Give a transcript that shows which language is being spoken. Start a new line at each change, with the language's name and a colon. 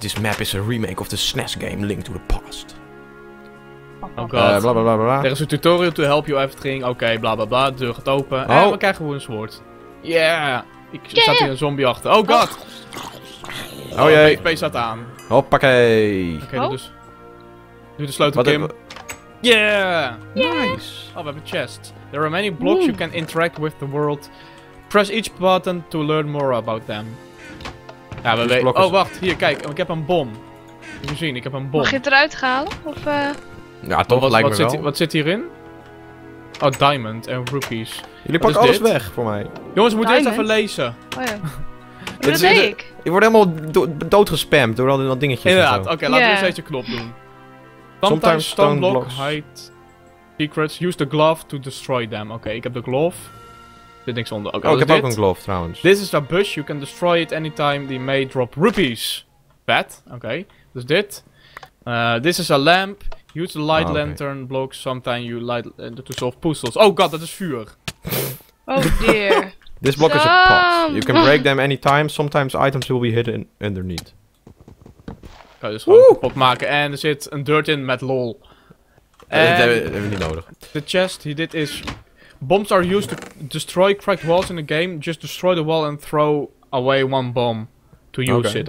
English: This map is a remake of the SNES game Link to the Past. Oh god. Blablabla. There is a tutorial to help you everything.
Dutch: Oké, blablabla. De deur gaat open. Oh. En we krijgen gewoon een zwoord. Yeah. Ik zat hier een zombie achter.
English: Oh god.
Dutch: Oh jee. PP staat aan. Hoppakee. Oké, dus. Nu de sleutel, Kim. Yeah!
English: Nice! Oh, we have a chest. There are many blocks you can interact with the world. Press each button to learn more about them.
Dutch: Ja, we weten... Oh, wacht. Hier, kijk. Ik heb een bom. Moet je zien, ik heb een bom. Mag je het eruit halen? Of Ja, toch. Oh, lijkt me zit wel. Wat zit hierin? Oh, diamond en rupees. Jullie pakken alles weg voor mij. Jongens, we moeten eerst even lezen. Oh ja. Dat weet ik. Ik word helemaal doodgespamd door al die dingetjes. Inderdaad. Oké, laten we eens even knop doen.
English: Sometimes stone blocks hide secrets. Use the glove to destroy them.
Dutch: Oké, ik heb de glove. Er zit niks onder. Okay, ik heb ook een glove trouwens.
English: This is a bush. You can destroy it anytime. They may drop rupees. Bad. Oké, dus dit. This is a lamp. Use the light lantern block. Sometimes you light to solve puzzles. Oh god,
Dutch: dat is vuur.
English: Oh dear. This block is a pot. You can break them anytime. Sometimes items will be hidden underneath.
Dutch: Kan je dus gewoon kapot maken. En er zit een dirt in met lol. Dat hebben we niet nodig.
English: The chest,
Dutch: dit is...
English: Bombs are used to destroy cracked walls in a game. Just destroy the wall and throw away one bomb to use it.